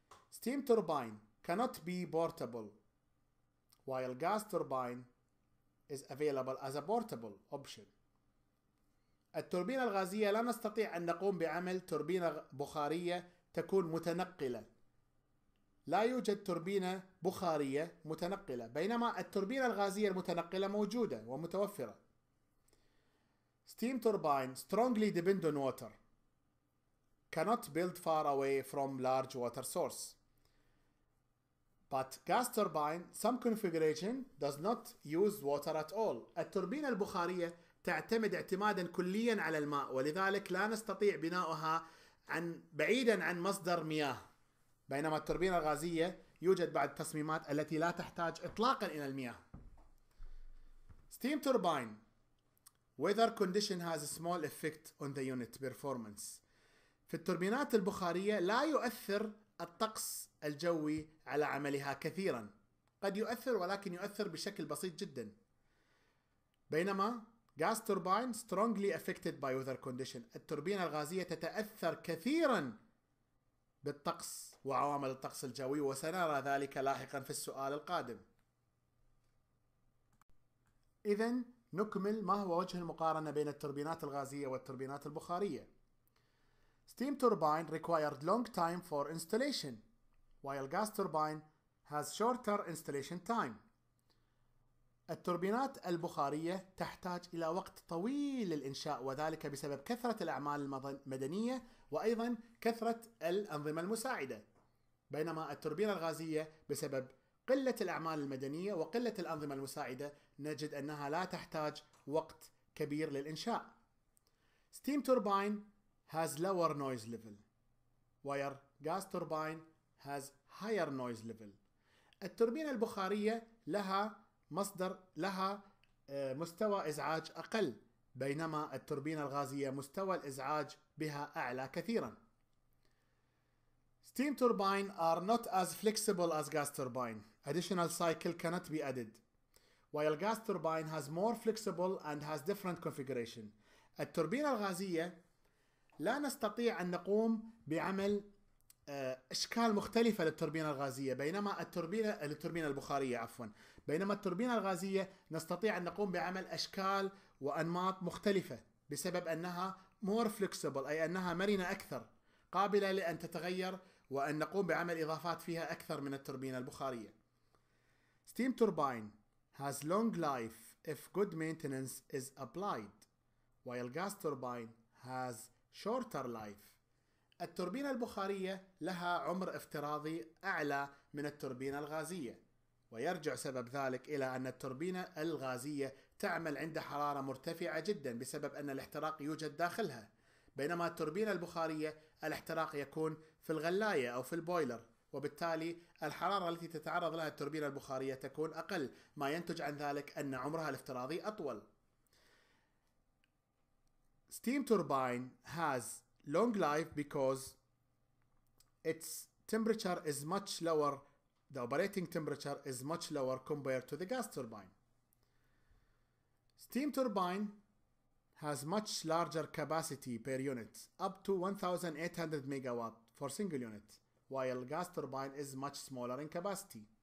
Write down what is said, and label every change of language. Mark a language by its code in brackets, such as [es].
[en] Steam turbine cannot be portable, while gas turbine is available as a portable option. [ar] التوربينة الغازية لا نستطيع أن نقوم بعمل توربينة بخارية تكون متنقلة. لا يوجد توربينة بخارية متنقلة، بينما التوربينة الغازية المتنقلة موجودة ومتوفرة. [en] Steam turbine strongly depend on water. Cannot build far away from large water source. But gas turbine, some configuration does not use water at all. [ar] التوربينة البخارية تعتمد اعتمادا كليا على الماء، ولذلك لا نستطيع بناؤها عن بعيدا عن مصدر مياه. بينما التوربينة الغازية يوجد بعض التصميمات التي لا تحتاج اطلاقا الى المياه. [en] Steam turbine weather condition has a small effect on the unit performance. [ar] في التوربينات البخارية لا يؤثر الطقس الجوي على عملها كثيرا، قد يؤثر ولكن يؤثر بشكل بسيط جدا. بينما [en] gas turbine strongly affected by weather condition، [ar] التوربينة الغازية تتأثر كثيرا بالطقس وعوامل الطقس الجوي، وسنرى ذلك لاحقا في السؤال القادم. إذن نكمل ما هو وجه المقارنة بين التوربينات الغازية والتوربينات البخارية. [en] Steam turbine required long time for installation, while gas turbine has shorter installation time. [ar] التوربينات البخارية تحتاج إلى وقت طويل للإنشاء، وذلك بسبب كثرة الأعمال المدنية وأيضا كثرة الأنظمة المساعدة. بينما التوربينة الغازية بسبب قلة الأعمال المدنية وقلة الأنظمة المساعدة نجد أنها لا تحتاج وقت كبير للإنشاء. [en] Steam turbine has lower noise level, while gas turbine has higher noise level. [ar] التوربينة البخارية لها مصدر لها مستوى إزعاج أقل، بينما التوربينة الغازية مستوى الإزعاج بها أعلى كثيرا. [en] Steam turbine are not as flexible as gas turbine. Additional cycle cannot be added. While gas turbine has more flexible and has different configuration. [ar] التوربينة الغازية لا نستطيع أن نقوم بعمل أشكال مختلفة للتوربينة الغازية، بينما التوربينة البخارية بينما التوربينة الغازية نستطيع أن نقوم بعمل أشكال وأنماط مختلفة بسبب أنها [en] more flexible، [ar] أي أنها مرنة أكثر، قابلة لأن تتغير، وأن نقوم بعمل إضافات فيها أكثر من التوربينة البخارية. [en] Steam turbine has long life if good maintenance is applied, while gas turbine has shorter life. [ar] التوربينة البخارية لها عمر افتراضي أعلى من التوربينة الغازية، ويرجع سبب ذلك إلى أن التوربينة الغازية تعمل عند حرارة مرتفعة جدا بسبب أن الاحتراق يوجد داخلها، بينما التوربينة البخارية الاحتراق يكون في الغلاية أو في البويلر، وبالتالي الحرارة التي تتعرض لها التوربينة البخارية تكون أقل، ما ينتج عن ذلك أن عمرها الافتراضي أطول. [en] Steam turbine has long life because its temperature is much lower, the operating temperature is much lower compared to the gas turbine. Steam turbine has much larger capacity per unit, up to 1,800 megawatt for single unit, while gas turbine is much smaller in capacity.